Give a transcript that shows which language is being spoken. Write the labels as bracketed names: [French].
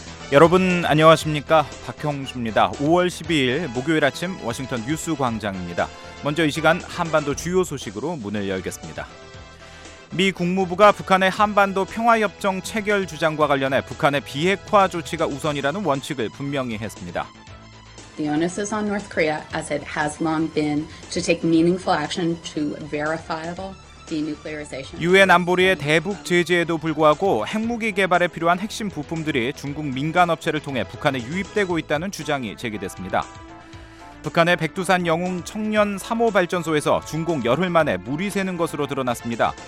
[Korean] 여러분 안녕하십니까? 박형수입니다. 5월 12일 목요일 아침 워싱턴 뉴스 광장입니다. 먼저 이 시간 한반도 주요 소식으로 문을 열겠습니다. 미 국무부가 북한의 한반도 평화협정 체결 주장과 관련해 북한의 비핵화 조치가 우선이라는 원칙을 분명히 했습니다. [English] The onus is on North Korea as it has long been to take meaningful action to verifiable [Korean] 유엔 안보리의 대북 제재에도 불구하고 핵무기 개발에 필요한 핵심 부품들이 중국 민간업체를 통해 북한에 유입되고 있다는 주장이 제기됐습니다. 북한의 백두산 영웅 청년 3호 발전소에서 준공 열흘 만에 물이 새는 것으로 드러났습니다.